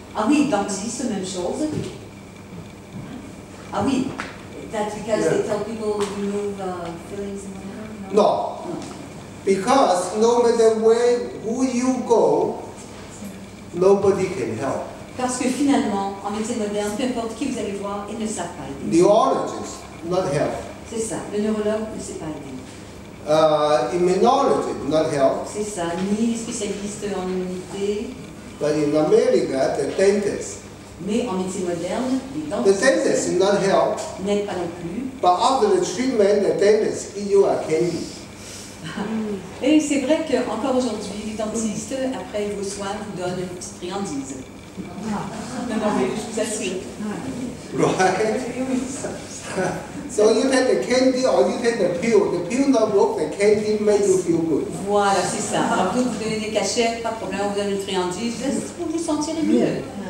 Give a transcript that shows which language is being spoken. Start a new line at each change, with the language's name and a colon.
French: Ah oui, donc c'est la même chose. Ah oui,
English: that's because they tell people to remove fillings and whatever? No. Because no matter where who you go, nobody can help.
French: Parce que finalement, en médecine moderne, peu importe qui vous allez voir, ils ne savent pas aider.
English: Neurologist, not health.
French: C'est ça, le neurologue ne sait pas aider.
English: Immunology, not health.
French: C'est ça, ni les spécialistes en immunité.
English: But in America, the dentist.
French: Mais en médecine moderne, les dentistes.
English: The dentist, not health.
French: N'aide pas non plus.
English: But after the treatment, the dentist give you a candy.
French: Et c'est vrai qu'encore aujourd'hui, les dentistes, après vos soins, vous donnent une petite friandise.
English: Right? So you take the candy or you take the pill. The pill not work, the candy makes you feel good.
French: Voilà, c'est ça. Alors, vous donnez des cachets, pas de problème, vous donnez une friandise, c'est pour vous sentir mieux.